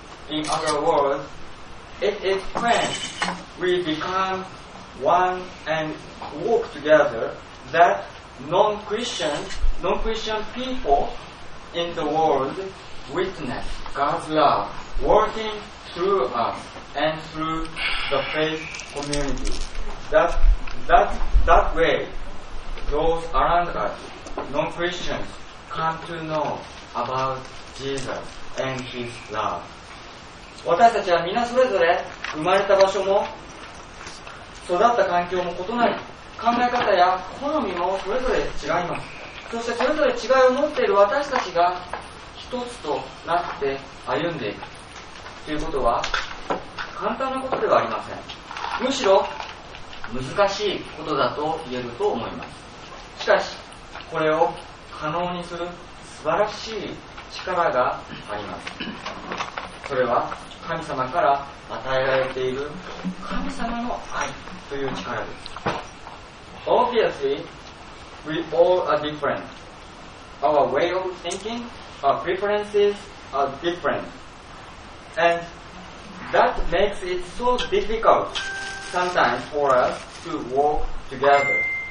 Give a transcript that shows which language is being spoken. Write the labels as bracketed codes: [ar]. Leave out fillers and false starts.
[en] In other words, it is when we become one and walk together that non-Christian people in the world witness God's love working through us and through the faith community. That way, those around us, non-Christians, come to know about Jesus and His love. [ja] 私たちはみんなそれぞれ生まれた場所も育った環境も異なり、考え方や好みもそれぞれ違います。そしてそれぞれ違いを持っている私たちが一つとなって歩んでいくということは簡単なことではありません。むしろ難しいことだと言えると思います。しかしこれを可能にする素晴らしい力があります。それは神様から与えられている神様の愛という力です。 [en] Obviously, we all are different. Our way of thinking, our preferences are different. And that makes it so difficult sometimes for us to walk together.